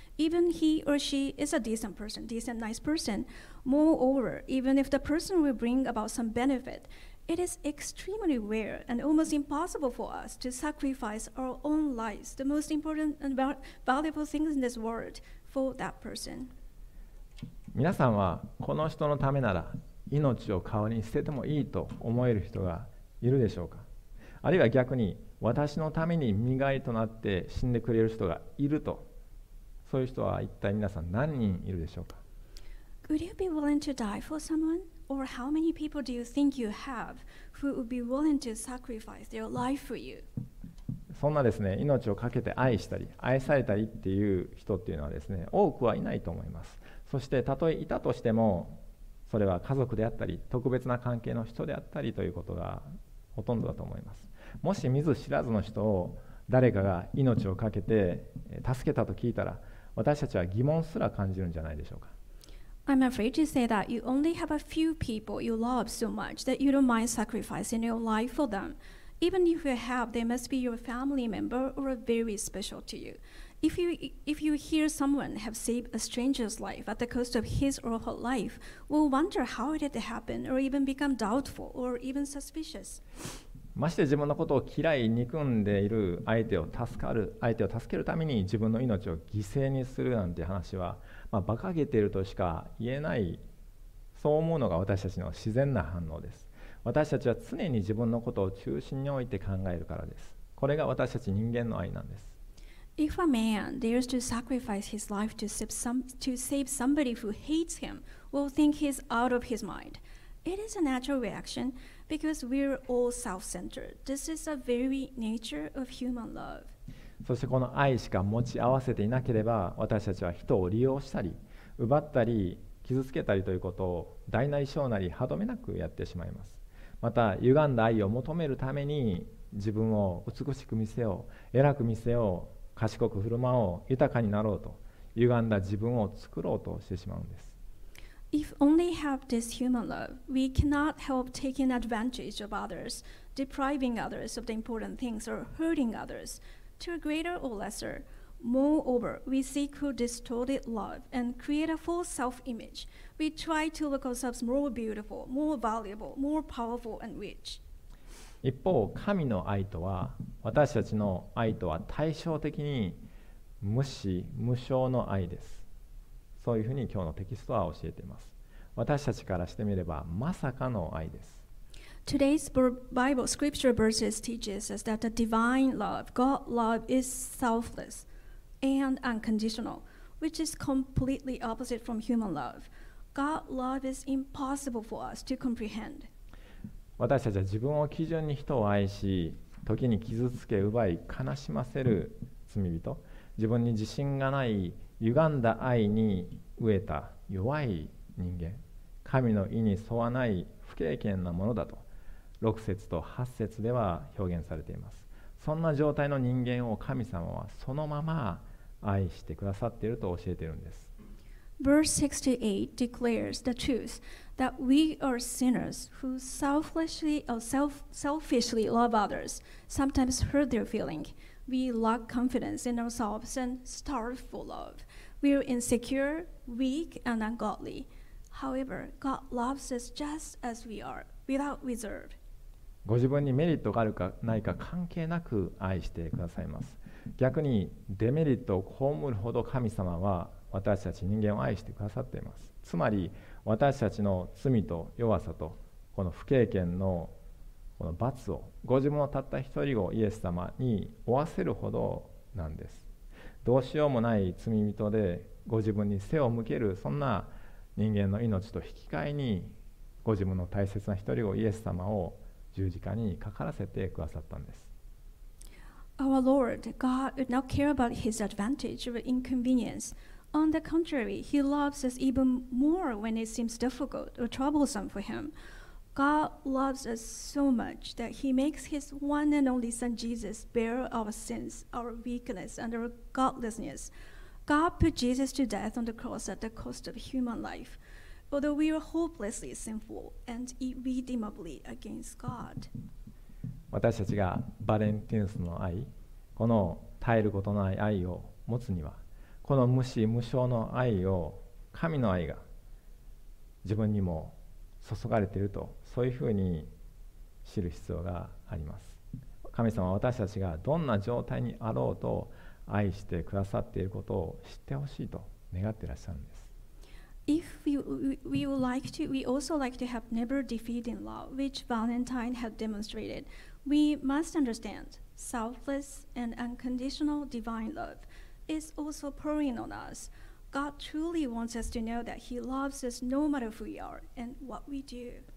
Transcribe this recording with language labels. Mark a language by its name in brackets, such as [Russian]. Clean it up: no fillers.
[English] Even he or she is a decent person, decent, nice person. Moreover, even if the person will bring about some benefit,It is extremely rare and almost impossible for us to sacrifice our own lives, the most important and valuable things in this world, for that person. [Japanese] 皆さんはこの人のためなら命を代わりに捨ててもいいと思える人がいるでしょうか。あるいは逆に私のために身代わりとなって死んでくれる人がいると、そういう人は一体皆さん何人いるでしょうか。 [English] Would you be willing to die for someone? Or how many people do you think you have who would be willing to sacrifice their life for you? [Japanese] そんなですね、命をかけて愛したり、愛されたりっていう人っていうのはですね、多くはいないと思います。そしてたとえいたとしても、それは家族であったり、特別な関係の人であったりということがほとんどだと思います。もし見ず知らずの人を誰かが命をかけて助けたと聞いたら、私たちは疑問すら感じるんじゃないでしょうか。 [English] I'm afraid to say that you only have a few people you love so much that you don't mind sacrificing your life for them. Even if you have, they must be your family member or very special to you. If you hear someone have saved a stranger's life at the cost of his or her life, we'll wonder how it happened or even become doubtful or even suspicious. [Japanese] まして自分のことを嫌い憎んでいる相手を助けるために自分の命を犠牲にするなんて話は、まあ、馬鹿げているとしか言えない。そう思うのが私たちの自然な反応です。私たちは常に自分のことを中心に置いて考えるからです。これが私たち人間の愛なんです。 [English] If a man dares to sacrifice his life to save somebody who hates him, will think he's out of his mind. It is a natural reaction because we're all self-centered. This is a very nature of human love. [Japanese] そしてこの愛しか持ち合わせていなければ私たちは人を利用したり奪ったり傷つけたりということを大なり小なり歯止めなくやってしまいます。また歪んだ愛を求めるために自分を美しく見せよう、偉く見せよう、賢く振る舞おう、豊かになろうと歪んだ自分を作ろうとしてしまうんです。 [English] If only have this human love, we cannot help taking advantage of others, depriving others of the important things or hurting others. To a greater or lesser. Moreover, we seek for distorted love and create a false self-image. We try to look ourselves more beautiful, more valuable, more powerful and rich. [Japanese] 一方、神の愛とは、私たちの愛とは対照的に無私無償の愛です。そういうふうに今日のテキストは教えています。私たちからしてみればまさかの愛です。 [English] Today's Bible scripture verses teaches us that the divine love, God love, is selfless and unconditional, which is completely opposite from human love. God love is impossible for us to comprehend. [Japanese] 私たちは自分を基準に人を愛し、時に傷つけ、奪い、悲しませる罪人、自分に自信がない、歪んだ愛に飢えた弱い人間、神の意に沿わない不敬虔なものだと。 6節と8節では表現されています。そんな状態の人間を神様はそのまま愛してくださっていると教えているんです。 [English] Verse 68 declares the truth that we are sinners who selfishly love others, sometimes hurt their feeling, we lack confidence in ourselves and starve for love. We are insecure, weak, and ungodly. However, God loves us just as we are, without reserve. [Japanese] ご自分にメリットがあるかないか関係なく愛してくださいます。逆にデメリットを被るほど神様は私たち人間を愛してくださっています。つまり私たちの罪と弱さとこの不経験のこの罰をご自分のたった一人をイエス様に負わせるほどなんです。どうしようもない罪人でご自分に背を向けるそんな人間の命と引き換えにご自分の大切な一人をイエス様を十字架にかからせてくださったんです。 [English] Our Lord God would not care about his advantage or inconvenience. On the contrary, he loves us even more when it seems difficult or troublesome for him. God loves us so much that he makes his one and only son Jesus bear our sins, our weakness, and our godlessness. God put Jesus to death on the cross at the cost of human life, although we are hopelessly sinful and irredeemably against God. [Japanese] 私たちがバレンティヌスの愛、この耐えることのない愛を持つには、この無私無償の愛を神の愛が自分にも注がれていると、そういうふうに知る必要があります。神様は私たちがどんな状態にあろうと愛してくださっていることを知ってほしいと願っていらっしゃるんです。 [English] If we would like to, we also like to have never defeating love, which Valentine had demonstrated, we must understand selfless and unconditional divine love is also pouring on us. God truly wants us to know that He loves us no matter who we are and what we do.